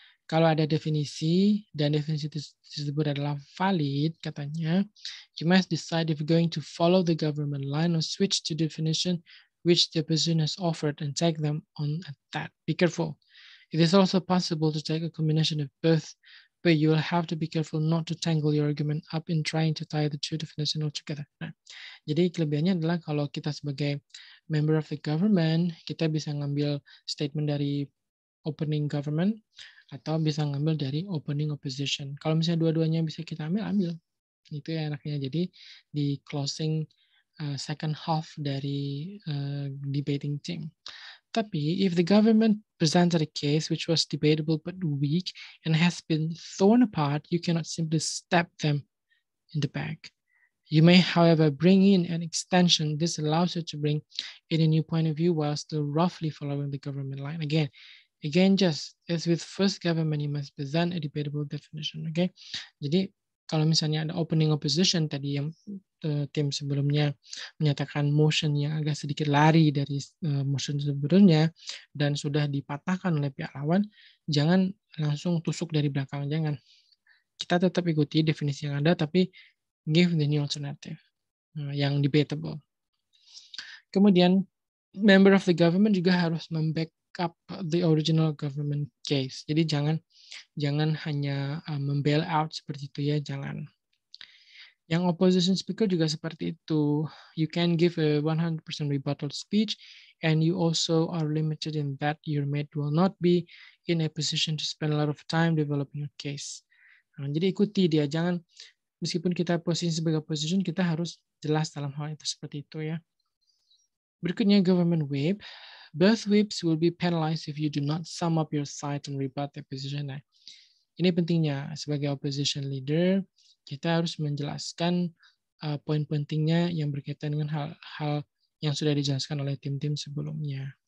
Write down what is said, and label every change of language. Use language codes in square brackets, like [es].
[id] Kalau ada definisi dan definisi tersebut adalah valid katanya, [en] you must decide if going to follow the government line or switch to definition which the opposition has offered and take them on at that. Be careful. It is also possible to take a combination of both, but you will have to be careful not to tangle your argument up in trying to tie the two definitions all together. [id] Nah, jadi kelebihannya adalah kalau kita sebagai member of the government, kita bisa ngambil statement dari opening government atau bisa ngambil dari opening opposition. Kalau misalnya dua-duanya bisa kita ambil, ambil. Itu ya enaknya. Jadi di closing second half dari debating team. [en] Tapi if the government presented a case which was debatable but weak and has been thrown apart, you cannot simply stab them in the back. You may, however, bring in an extension. This allows you to bring in a new point of view while still roughly following the government line. Again, just as with first government, you must present a debatable definition. [id] Okay, jadi kalau misalnya ada opening opposition tadi yang tim sebelumnya menyatakan motion yang agak sedikit lari dari motion sebelumnya dan sudah dipatahkan oleh pihak lawan, jangan langsung tusuk dari belakang. Jangan, kita tetap ikuti definisi yang ada, tapi [en] give the new alternative [id] yang debatable. Kemudian, member of the government juga harus membackup [en] the original government case. [id] Jadi jangan hanya membail out seperti itu ya, jangan. Yang opposition speaker juga seperti itu. [en] You can give a 100% rebuttal speech, and you also are limited in that your mate will not be in a position to spend a lot of time developing your case. [id] Jadi ikuti dia, jangan. Meskipun kita posisi sebagai opposition, kita harus jelas dalam hal itu seperti itu ya. [en] Berikutnya, government whip. Both whips will be penalized if you do not sum up your side and rebut the position. [id] Nah, ini pentingnya, sebagai opposition leader, kita harus menjelaskan poin pentingnya yang berkaitan dengan hal-hal yang sudah dijelaskan oleh tim-tim sebelumnya.